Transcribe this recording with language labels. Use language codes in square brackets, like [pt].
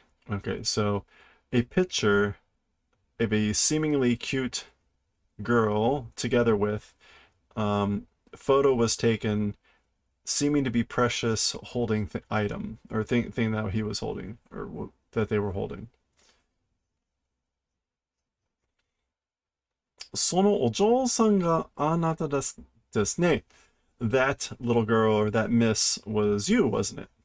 [en] Okay, so a pitcher, a seemingly cute girl together with photo was taken seeming to be precious holding the item or thing that he was holding or w that they were holding. [ja] その、お嬢さんがあなたですね。 [en] That little girl or that miss was you, wasn't it?